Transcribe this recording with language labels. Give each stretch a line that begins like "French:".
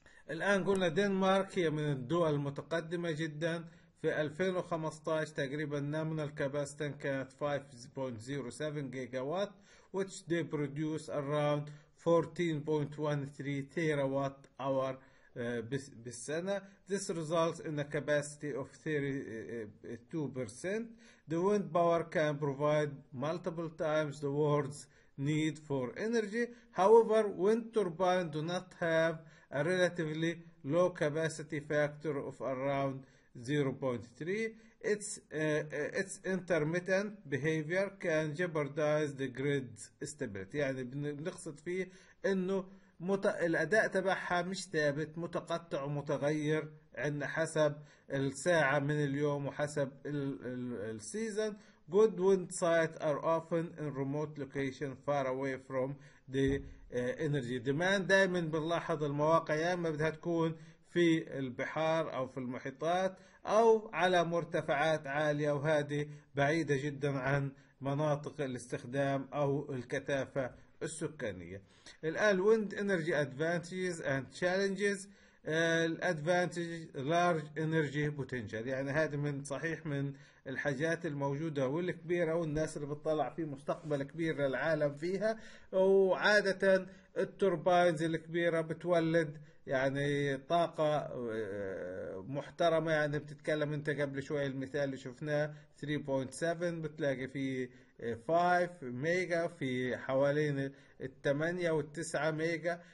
Arabic: الآن قلنا دنمارك هي من الدول المتقدمة جدا. في 2015 تقريبا نامنال كاباستن كانت 5.07 جيجا وات
English: which they produce around
Arabic: 14.13 تيرا وات اور بالسنة.
English: This results in a capacity of 32%. The wind power can provide multiple times the world's need for energy. However, wind turbines do not have a relatively low capacity factor of around 0.3. Its intermittent behavior can jeopardize the grid's stability.
Arabic: يعني بنقصد فيه انه الاداء تبعها مش ثابت، متقطع ومتغير عندنا حسب الساعه من اليوم وحسب السيزون.
English: Good wind sites are often in remote location far away from the energy demand.
Arabic: دائما بنلاحظ المواقع يا اما بدها تكون في البحار او في المحيطات او على مرتفعات عاليه، وهذه بعيده جدا عن مناطق الاستخدام او الكثافه السكانيه.
English: الان wind energy advantages and challenges.
Arabic: الادفانتج لارج انرجي بوتنشال، يعني هذا من صحيح من الحاجات الموجوده والكبيره والناس اللي بتطلع في مستقبل كبير للعالم فيها. وعاده التوربينز الكبيره بتولد يعني طاقه محترمه، يعني بتتكلم انت قبل شوي المثال اللي شفناه 3.7 بتلاقي في 5 ميجا في حوالين 8 والتسعة ميجا.